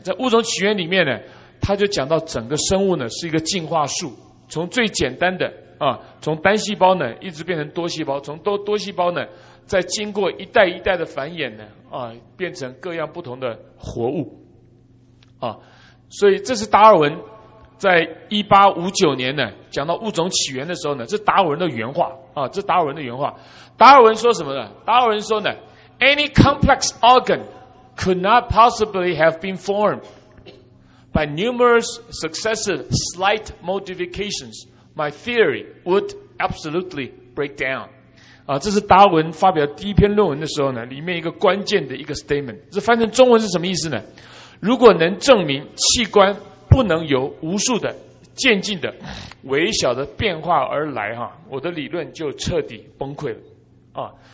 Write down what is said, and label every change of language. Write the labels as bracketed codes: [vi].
[zh] 在《物种起源》里面呢，他就讲到整个生物呢是一个进化树，从最简单的啊，从单细胞呢一直变成多细胞，从多细胞呢再经过一代一代的繁衍呢啊，变成各样不同的活物。啊，所以这是达尔文。在1859年呢，讲到物种起源的时候呢，这达尔文的原话啊，这达尔文的原话。达尔文说什么呢？达尔文说呢 [en] ，Any complex organ could not possibly have been formed by numerous successive slight modifications. My theory would absolutely break down. [zh] 啊，这是达尔文发表第一篇论文的时候呢，里面一个关键的一个 statement。这翻成中文是什么意思呢？如果能证明器官。不能由无数的渐进的微小的变化而来哈，我的理论就彻底崩溃了啊！